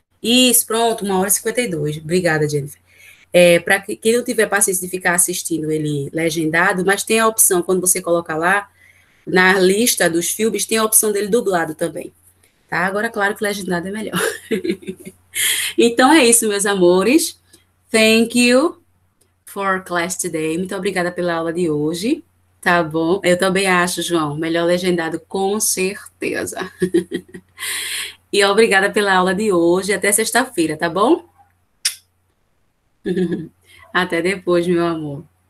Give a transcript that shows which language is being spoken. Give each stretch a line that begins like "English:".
Portuguese: Isso, pronto, 1h52. Obrigada, Jennifer. É, para quem não tiver paciência de ficar assistindo ele legendado, mas tem a opção, quando você coloca lá na lista dos filmes, tem a opção dele dublado também. Tá? Agora, claro que legendado é melhor. Então é isso, meus amores.
English: Thank you for class today.
Portuguese: Muito obrigada pela aula de hoje. Tá bom, eu também acho, João. Melhor legendado, com certeza. E obrigada pela aula de hoje. Até sexta-feira, tá bom? Até depois, meu amor.